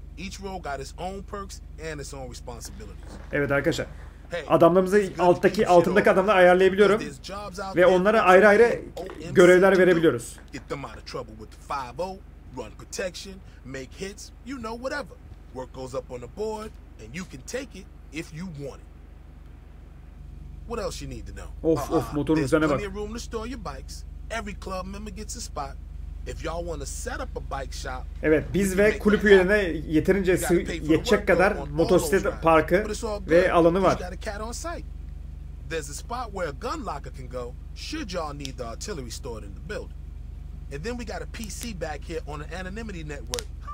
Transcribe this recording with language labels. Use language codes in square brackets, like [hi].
[en] Each role got its own perks and its own responsibilities. [tr] Evet arkadaşlar. Adamlarımızı altındaki adamları ayarlayabiliyorum ve onlara ayrı ayrı görevler verebiliyoruz. [en] Get them out of trouble with the 5-0, run protection, make hits, you know whatever. Work goes up on the board and you can take it if you want it. What else you need to know? Of of [tr] motorun üzerine bak. [en] There's room to store your bikes. Every club member gets a spot. If y'all want to set up a bike shop. [tr] Evet, biz ve kulüp üyelerine yeterince yetecek kadar motosiklet parkı ve alanı var. [en] There's a spot where a gun locker can go should y'all need the artillery stored in the building. And then we got a PC back here on an anonymity network.